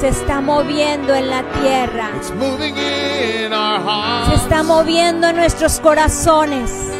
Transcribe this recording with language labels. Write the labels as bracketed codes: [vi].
[es] Se está moviendo en la tierra. [en] It's moving in our hearts. [es] Se está moviendo en nuestros corazones.